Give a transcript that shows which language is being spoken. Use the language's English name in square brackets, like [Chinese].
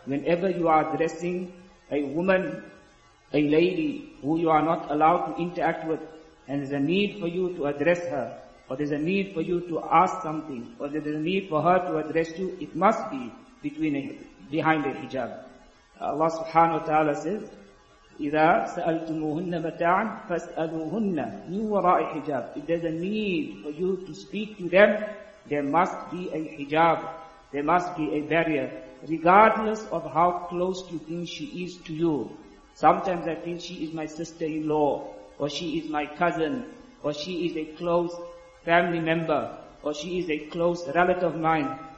[English] Whenever you are addressing a woman, a lady who you are not allowed to interact with, and there's a need for you to address her, or there's a need for you to ask something, or there's a need for her to address you, it must be behind a hijab. Allah subhanahu wa ta'ala says, [Arabic] إِذَا سَأَلْتُمُهُنَّ مَتَاعًا فَاسْأَلُوهُنَّ مِنْ وَرَاءِ حِجَابٍ. [English] If there's a need for you to speak to them, there must be a hijab, there must be a barrier, regardless of how close you think she is to you. Sometimes I think she is my sister-in-law, or she is my cousin, or she is a close family member, or she is a close relative of mine.